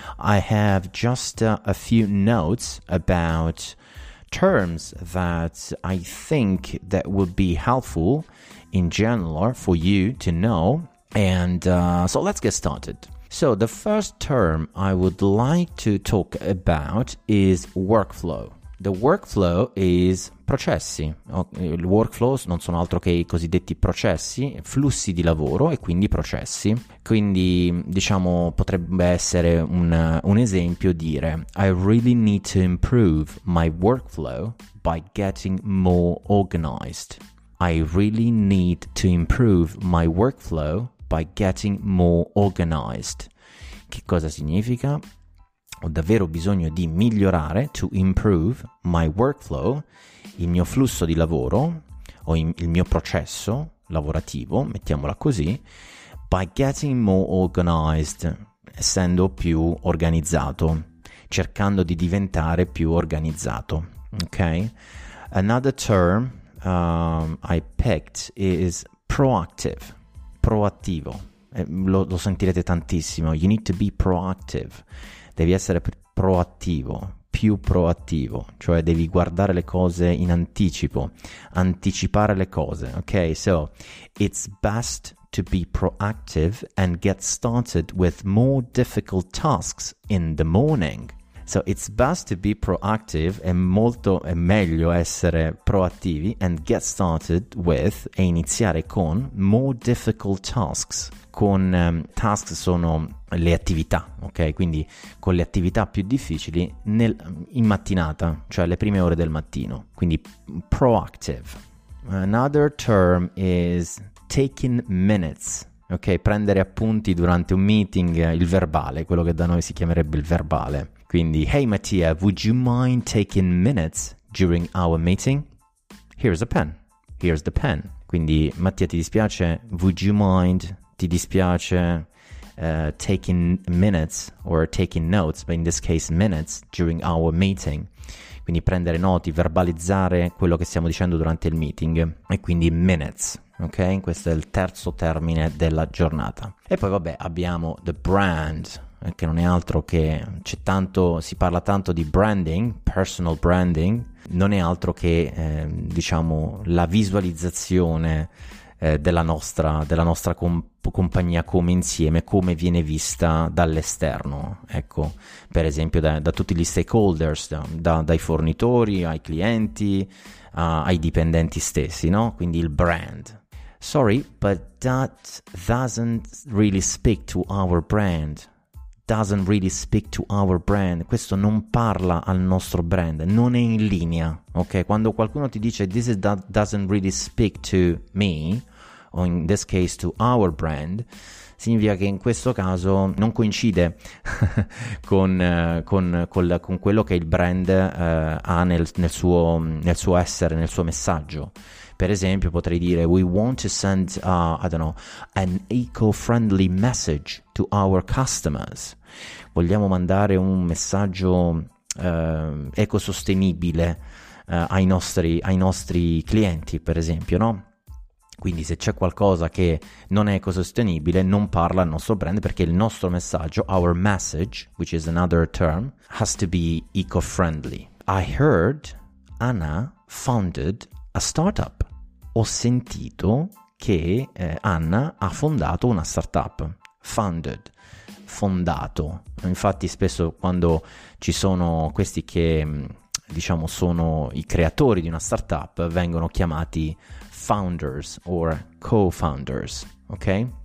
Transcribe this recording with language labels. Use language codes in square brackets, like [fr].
[en] I have just a few notes about terms that I think that would be helpful in general for you to know. And so let's get started. So the first term I would like to talk about is workflow. The workflow is processi. [it] Il workflow non sono altro che i cosiddetti processi, flussi di lavoro e quindi processi. Quindi, diciamo, potrebbe essere un esempio dire [en] I really need to improve my workflow by getting more organized. I really need to improve my workflow by getting more organized. [it] Che cosa significa? Ho davvero bisogno di migliorare, [en] to improve my workflow, [it] il mio flusso di lavoro o il mio processo lavorativo, mettiamola così, [en] by getting more organized, [it] essendo più organizzato, cercando di diventare più organizzato. Ok? [en] Another term I picked is proactive. [it] Proattivo. Lo sentirete tantissimo. [en] You need to be proactive. [it] Devi essere proattivo, più proattivo, cioè devi guardare le cose in anticipo, anticipare le cose, ok? [en] So, it's best to be proactive and get started with more difficult tasks in the morning. So, it's best to be proactive, [it] è meglio essere proattivi [en] and get started with, [it] e iniziare con, [en] more difficult tasks. [it] Con tasks sono le attività, ok? Quindi con le attività più difficili in mattinata, cioè le prime ore del mattino. Quindi proactive. [en] Another term is taking minutes. [it] Ok, prendere appunti durante un meeting, il verbale, quello che da noi si chiamerebbe il verbale. [en] Quindi, hey Mattia, would you mind taking minutes during our meeting? Here's a pen. Here's the pen. [it] Quindi, Mattia, ti dispiace? [en] Would you mind... [it] Ti dispiace [en] taking minutes or taking notes, but in this case minutes, during our meeting. [it] Quindi prendere noti, verbalizzare quello che stiamo dicendo durante il meeting. E quindi minutes, ok? Questo è il terzo termine della giornata. E poi vabbè, abbiamo the brand, che non è altro che... si parla tanto di branding, personal branding. Non è altro che, diciamo, la visualizzazione... della nostra compagnia come insieme, come viene vista dall'esterno, ecco, per esempio da tutti gli stakeholders, dai fornitori ai clienti, ai dipendenti stessi, no? Quindi il brand. [en] Sorry, but that doesn't really speak to our brand. Doesn't really speak to our brand. [it] Questo non parla al nostro brand, non è in linea, ok? Quando qualcuno ti dice [en] this doesn't really speak to me [it] o [en] in this case to our brand, [it] significa che in questo caso non coincide con quello che il brand ha nel suo essere, nel suo messaggio. Per esempio, potrei dire [en] we want to send an eco-friendly message to our customers. [it] Vogliamo mandare un messaggio ecosostenibile ai nostri clienti, per esempio, no? Quindi se c'è qualcosa che non è ecosostenibile, non parla al nostro brand, perché il nostro messaggio, [en] our message, which is another term, has to be eco-friendly. I heard Anna founded a startup. [it] Ho sentito che Anna ha fondato una startup. Founded, fondato. Infatti spesso quando ci sono questi che, diciamo, sono i creatori di una startup, vengono chiamati founders or co-founders, okay?